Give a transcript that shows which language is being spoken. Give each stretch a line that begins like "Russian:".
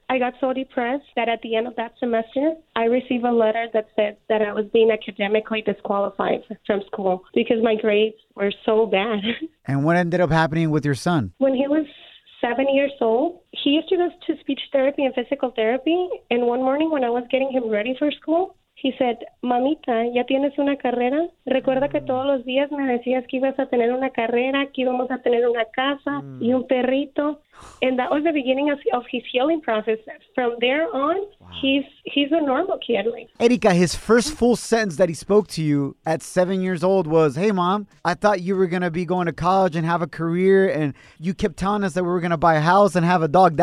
English: I got so depressed that at the end of that semester, I received a letter that said that I was being academically disqualified from school because my grades were so bad. And what ended up happening with your son? When he was 7 years old, he used to go to speech therapy and physical therapy.
Spanish: And one morning when I was getting him ready for school,
English: he said,
Spanish: Mamita, ¿ya tienes una carrera? Recuerda que todos los días me decías que ibas a tener una carrera, que íbamos a tener una casa y un perrito.
English: And that was the beginning of his healing process. From there on, he's a normal kid. Erika, his first full sentence that he spoke to you at 7 years old was, hey, Mom, I thought you were going to be going to college and have a career, and you kept telling us that we were going to buy a house and have a dog.